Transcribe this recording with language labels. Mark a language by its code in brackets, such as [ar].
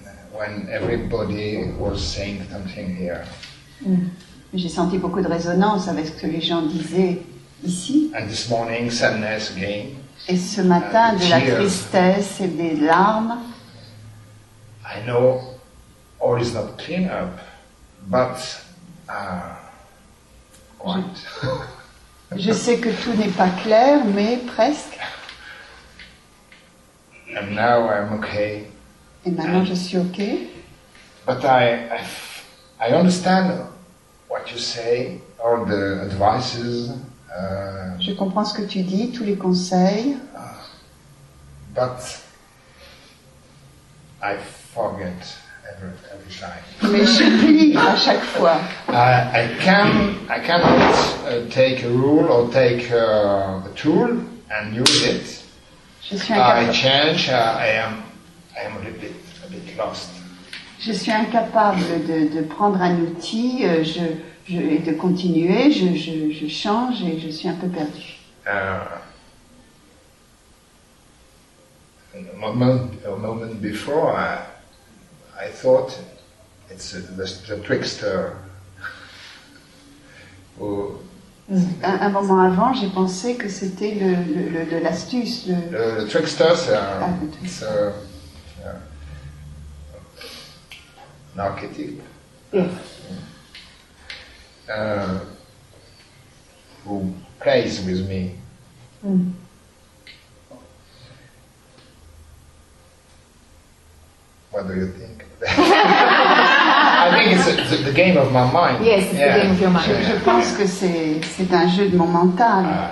[en] When everybody was saying something here. [fr] J'ai senti beaucoup de résonance avec ce que les gens disaient ici. [en] And this morning, sadness again. [fr] Et ce matin, de la tristesse et des larmes. [en] I know all is not clean up, but quite. [fr] Je sais que tout n'est pas clair, mais presque. [en] And now I'm okay. [fr] Et maintenant je suis okay. [en] But I understand what you say, all the advices. [fr] Je comprends ce que tu dis, tous les conseils. [en] But I forget every time. [fr] Mais j'oublie à chaque fois. [en] I cannot take a rule or take a tool and use it. I am a bit lost. [fr] Je suis incapable de prendre un outil et de continuer. Je change et je suis un peu perdu. [en] A moment before, I thought it's the trickster. [fr] Un moment avant, j'ai pensé que c'était le l'astuce. Le trickster, un archétype. [en] Who plays with me. What do you think? I think it's the game of my mind. Yes, it's the game of your mind. [fr] Je pense que c'est un jeu de mon mental.